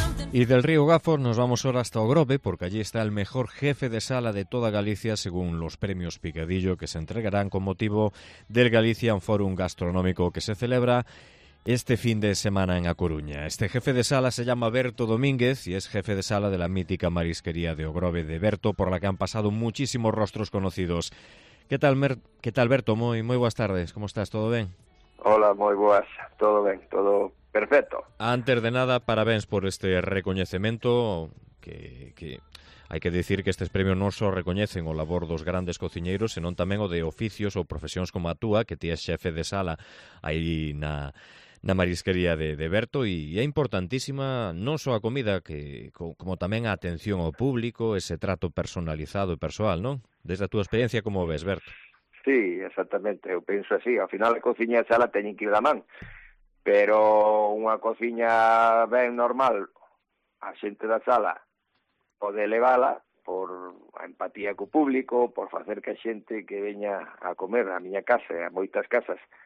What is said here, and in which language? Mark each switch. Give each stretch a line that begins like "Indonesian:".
Spanish: Y del río Gafos nos vamos ahora hasta Ogrove, porque allí está el mejor jefe de sala de toda Galicia, según los premios Picadillo que se entregarán con motivo del Galician Forum Gastronómico que se celebra este fin de semana en A Coruña. Este jefe de sala se llama Berto Domínguez y es jefe de sala de la mítica marisquería de Ogrove de Berto, por la que han pasado muchísimos rostros conocidos. ¿Qué tal, Berto? Muy buenas tardes. ¿Cómo estás? ¿Todo bien? Hola, muy buenas. Todo bien, todo perfecto.
Galician: Antes de nada, parabéns
Spanish: por este reconocimiento, que hay que decir que
Galician: estes premios non só recoñecen o labor dos grandes cociñeiros, senón tamén o de oficios ou profesións como a túa, que ti és xefe de sala aí na marisquería de Berto, e é importantísima non só a comida, como tamén a atención ao público, ese trato personalizado e persoal, non? Desde a túa experiencia, como ves, Berto? Sí, exactamente, eu penso así. Ao final, a cociña e a sala teñen que ir da man, pero unha cociña ben normal, a xente da sala pode elevala por a empatía co público, por facer que a xente que veña a comer a miña casa e a moitas casas,